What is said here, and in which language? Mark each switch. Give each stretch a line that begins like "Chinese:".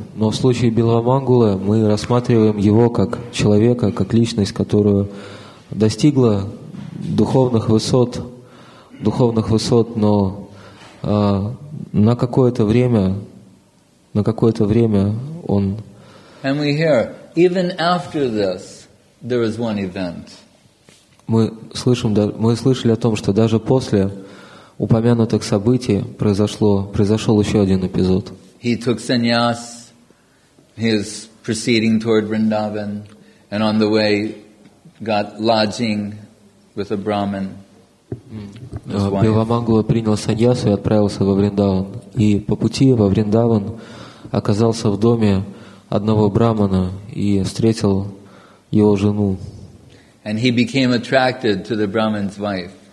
Russian: Но в случае Билва Мангулы мы рассматриваем его как человека, как личность, которая достигла духовных высот, но на какое-то время он.
English: And we hear, even after this, there is one event.
Russian: Мы слышали о том, что даже после упомянутых событий произошел еще один эпизод.
English: He took sannyas, he is proceeding toward Vrindavan, and on the way got lodging with a Brahmin.
Russian: Билва Мангула принял саньясу и отправился во Вриндаван. И по пути во Вриндаван оказался в доме одного брахмана и встретил его жену.
English: And he became attracted to the Brahmin's wife.